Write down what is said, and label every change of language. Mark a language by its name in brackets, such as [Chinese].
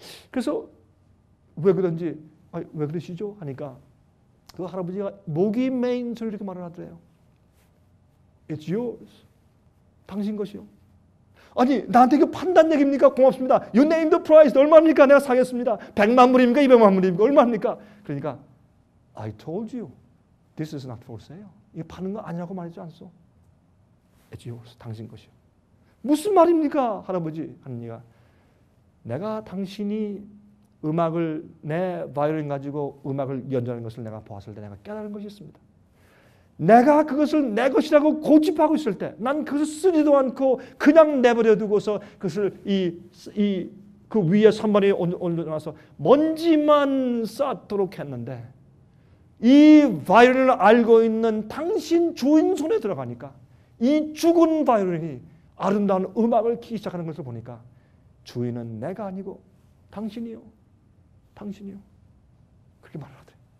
[Korean] 그래서 왜 그런지 왜 그러시죠? 하니까 그 할아버지가 목이 메인 소리를 이렇게 말을 하더래요. [English] It's yours. [Korean] 당신 것이요. 아니 나한테 이거 판단 얘기입니까? 고맙습니다. [English] You name the price. [Korean] 얼마입니까? 내가 사겠습니다. 100만 불입니까? 200만 불입니까? 얼마입니까? [English] 그러니까 I told you this is not for sale. [Korean] 이거 파는 거 아니라고 말하지 않소? [English] It's yours. [Korean] 당신 것이요. 무슨 말입니까? 할아버지 하느니가 내가 당신이 음악을 내 바이올린 가지고 음악을 연주하는 것을 내가 보았을 때 내가 깨달은 것이 있습니다. 내가 그것을 내 것이라고 고집하고 있을 때 난 그것을 쓰지도 않고 그냥 내버려 두고서 그것을 그 위에 선반에 올려놔서 먼지만 쌓도록 했는데 이 바이올린을 알고 있는 당신 주인 손에 들어가니까 이 죽은 바이올린이 아름다운 음악을 키기 시작하는 것을 보니까 주인은 내가 아니고 당신이요. 당신이요. 그렇게 말을 하더래.